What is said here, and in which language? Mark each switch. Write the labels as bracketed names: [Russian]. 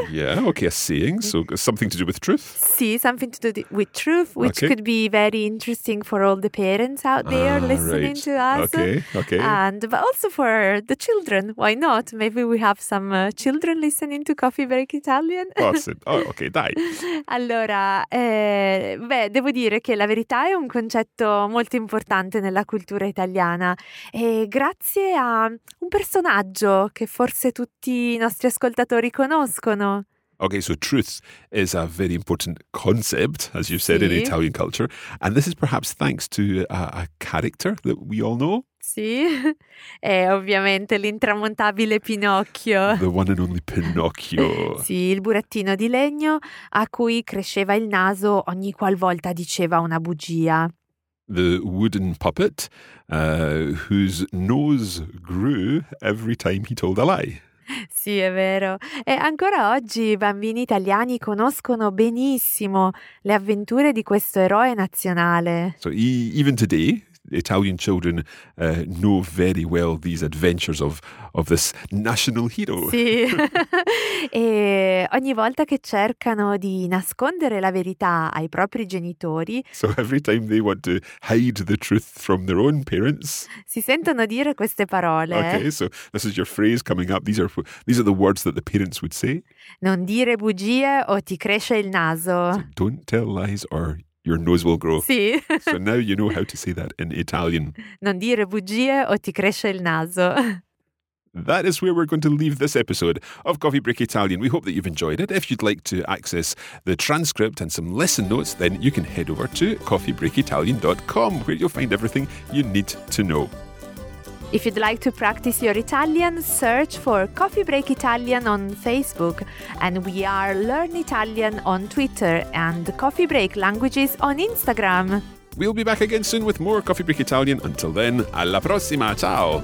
[English] Yeah, okay, a saying, so something to do with truth. Sì, something to do with truth, which okay. could be very interesting for all the parents out there listening right. to us. Okay, okay. And but also for the children, why not? Maybe we have some children listening to Coffee Break Italian. Awesome. Oh, okay, dai. [Italian] Allora, beh, devo dire che la verità è un concetto molto importante nella cultura italiana e grazie a un personaggio che forse tutti i nostri ascoltatori conoscono. [English] Okay, so truth is a very important concept, as you said, [Italian] sì. [English] in Italian culture, and this is perhaps thanks to a character that we all know. [Italian] Sì, è ovviamente l'intramontabile Pinocchio. [English] The one and only Pinocchio. [Italian] Sì, il burattino di legno a cui cresceva il naso ogni qualvolta diceva una bugia. [English] The wooden puppet whose nose grew every time he told a lie. [Italian] Sì, è vero. E ancora oggi i bambini italiani conoscono benissimo le avventure di questo eroe nazionale. [English] So, even today, Italian children know very well these adventures of this national hero. [Italian] Sì. E ogni volta che cercano di nascondere la verità ai propri genitori, [English] so every time they want to hide the truth from their own parents, [Italian] si sentono dire queste parole. [English] Okay, so this is your phrase coming up. These are the words that the parents would say. [Italian] Non dire bugie o ti cresce il naso. [English] So don't tell lies or your nose will grow. [Italian] Sì. [English] So now you know how to say that in Italian. [Italian] Non dire bugie o ti cresce il naso. [English] That is where we're going to leave this episode of Coffee Break Italian. We hope that you've enjoyed it. If you'd like to access the transcript and some lesson notes, then you can head over to coffeebreakitalian.com, where you'll find everything you need to know. If you'd like to practice your Italian, search for Coffee Break Italian on Facebook, and we are Learn Italian on Twitter and Coffee Break Languages on Instagram. We'll be back again soon with more Coffee Break Italian. Until then, [Italian] alla prossima, ciao!